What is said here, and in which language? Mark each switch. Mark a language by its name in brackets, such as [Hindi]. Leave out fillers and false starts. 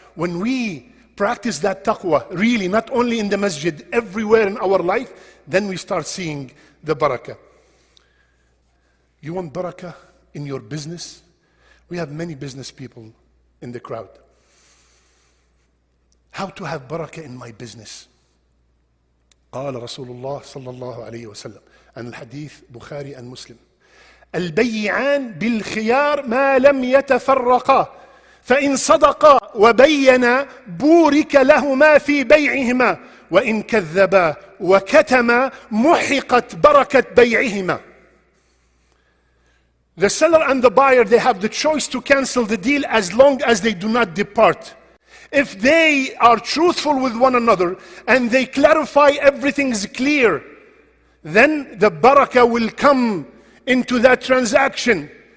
[English] When we practice that taqwa, really, not only in the masjid, everywhere in our life, then we start seeing the barakah. You want barakah in your business? We have many business people in the crowd. How to have barakah in my business? [Arabic] قال رسول الله صلى الله عليه وسلم عن الحديث بخاري [English] and Muslim. [Arabic] البيعان بالخيار ما لم يتفرقا فإن صدقا وبينا بورك لهما في بيعهما وإن كذبا وكتما محقت بركة بيعهما. [English] The seller and the buyer, they have the choice to cancel the deal as long as they do not depart. If they are truthful with one another and they clarify, everything is clear, then the barakah will come into that transaction.